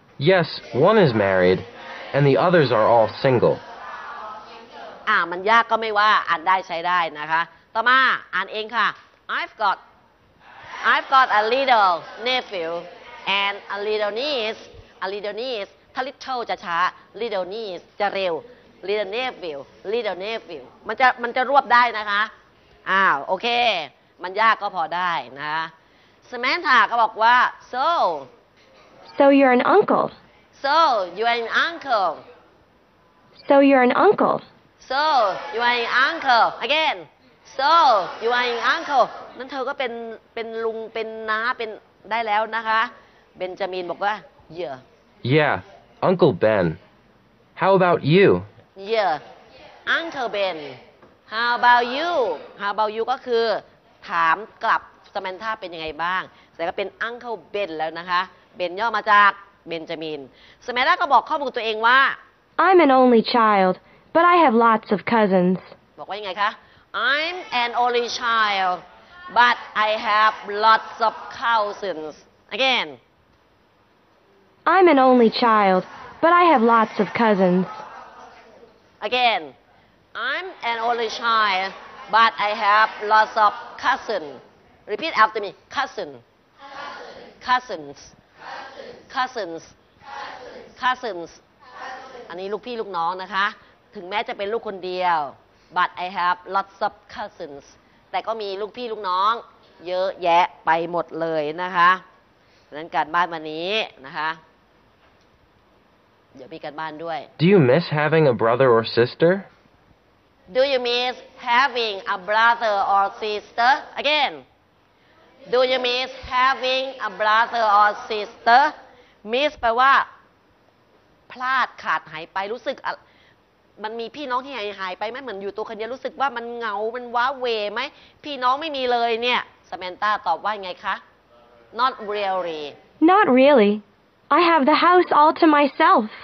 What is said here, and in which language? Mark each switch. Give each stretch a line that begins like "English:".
English: Yes, one is married, and the others are all single.
Thai: มันยากก็ไม่ว่าอ่านได้ใช้ได้นะคะต่อมาอ่านเองค่ะ
English: I've got a little nephew and a little niece. A little niece.
Thai: ถ้า little จะช้า little niece จะเร็ว little nephew little nephew มันจะรวบได้นะคะโอเคมันยากก็พอได้นะSamantha ก็บอกว่า So
English: you're an uncle. So you're an uncle. So you're an uncle. So you're an uncle again. So you're an uncle.
Thai: นั่นเธอก็เป็นลุงเป็นน้าเป็นได้แล้วนะคะเบนจามินบอกว่า Yeah.
English: Yeah, Uncle Ben. How about you? Yeah, Uncle Ben. How about you? How about you
Thai: ก็คือถามกลับสมานธาเป็นยังไงบ้างแต่ก็เป็น Uncle Ben แล้วนะคะเบนย่อมาจากเบนจามินสมานธาก็บอกข้อมูลตัวเองว่า
English: I'm an only child but I have lots of cousins
Thai: บอกว่ายังไงคะ
English: I'm an only child but I have lots of cousins again I'm an only child but I have lots of cousins again I'm an only child but I have lots of cousinsRepeat after me. Cousin. Cousins. Cousins. Cousins. Cousins. Cousins.
Thai: อันนี้ลูกพี่ลูกน้องนะคะถึงแม้จะเป็นลูกคนเดียว
English: but I have lots of cousins
Thai: แต่ก็มีลูกพี่ลูกน้องเยอะแยะไปหมดเลยนะคะดังนั้นการบ้านวันนี้นะคะเดี๋ยวมีการบ้านด้วย
English: Do you miss having a brother or sister? Do you miss having a brother or sister? Again. Do you miss having a brother or sister?
Thai: Miss แปลว่าพลาดขาดหายไปรู้สึกมันมีพี่น้องที่หายไปไหมเหมือนอยู่ตัวคนเดียวรู้สึกว่ามันเหงามันว้าเหวไหมพี่น้องไม่มีเลยเนี่ย Samantha ตอบว่าไงคะ
English: Not really. Not really. I have the house all to myself.